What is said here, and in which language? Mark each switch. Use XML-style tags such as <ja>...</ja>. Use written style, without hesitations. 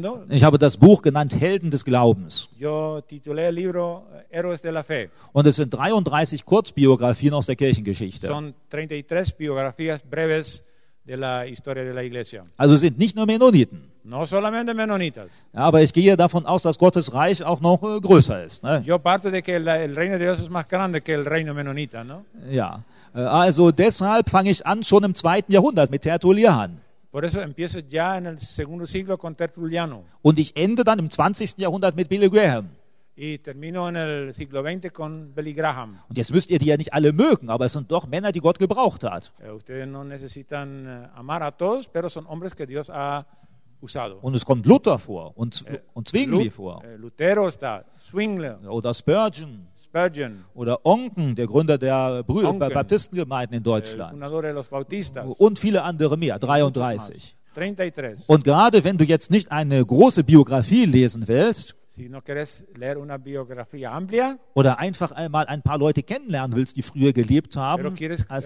<de>Ich habe das Buch genannt Helden des Glaubens.</de> <es>Yo titulé el libro Héroes de la Fe.</es> <de>Und es sind 33 Kurzbiografien aus der Kirchengeschichte.</de> <es>Son 33 biografías breves de la historia de la iglesia.</es> <de>Also sind nicht nur Mennoniten.</de> <es>No solamente Mennonitas.</es> <de>Aber ich gehe davon aus, dass Gottes Reich auch noch größer ist. Ne?</de> <es>Yo parto de que el reino de Dios es más grande que el reino Mennonita, ¿no?</es> <de>Ja, also deshalb fange ich an schon im 2. Jahrhundert mit Tertullian.</de> <es>Por eso empiezo ya en el segundo siglo con Tertuliano.</es> <de>Und ich ende dann im 20. Jahrhundert mit Billy Graham.</de> <es>Y termino en el siglo XX con Billy Graham.</es> <de>Und jetzt müsst ihr die ja nicht alle mögen, aber es sind doch Männer, die Gott gebraucht hat.</de> <es>Ustedes no necesitan amar a todos, pero son hombres que Dios ha usado.</es> <de>Und es kommt Luther vor und Zwingli vor. Lutero ist da, Zwingli. Oder Spurgeon.</de> <es>Spurgeon.</es> <de>Oder Onken, der Gründer der Baptistengemeinden in Deutschland.</de> <es>Fundador de los Bautistas.</es> <de>Und viele andere mehr, 33.</de> <es>33.</es> <de>Und gerade wenn du jetzt nicht eine große Biografie lesen willst,</de> <es>si no quieres leer una biografía amplia,</es> <de>oder einfach einmal ein paar Leute kennenlernen willst, die früher gelebt haben als</de>